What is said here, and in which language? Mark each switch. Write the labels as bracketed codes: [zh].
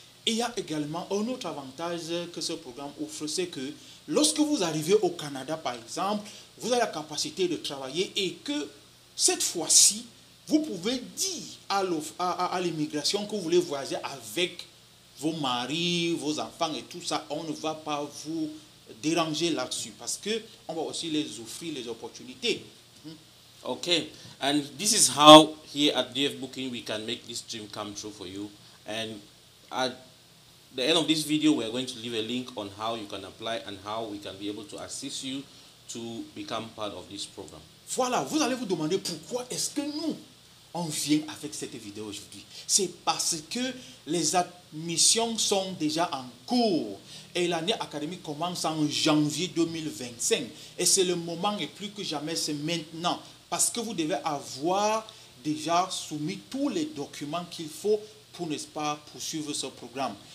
[fr] Et il y a également un autre avantage que ce programme offre, c'est que lorsque vous arrivez au Canada, par exemple, vous avez la capacité de travailler et que cette fois-ci, vous pouvez dire à l'immigration que vous voulez voyager avec vos maris, vos enfants et tout ça, on ne va pas vous déranger là-dessus parce que on va aussi les offrir les opportunités. [en] Ok, and this is how here at DF Booking we can make this dream come true for you. And at the end of this video, we are going to leave a link on how you can apply and how we can be able to assist you to become part of this program. [fr] Voilà, vous allez vous demander pourquoi est-ce que nous on vient avec cette vidéo aujourd'hui. C'est parce que les admissions sont déjà en cours. Et l'année académique commence en janvier 2025. Et c'est le moment, et plus que jamais, c'est maintenant. Parce que vous devez avoir déjà soumis tous les documents qu'il faut pour, n'est-ce pas, poursuivre ce programme.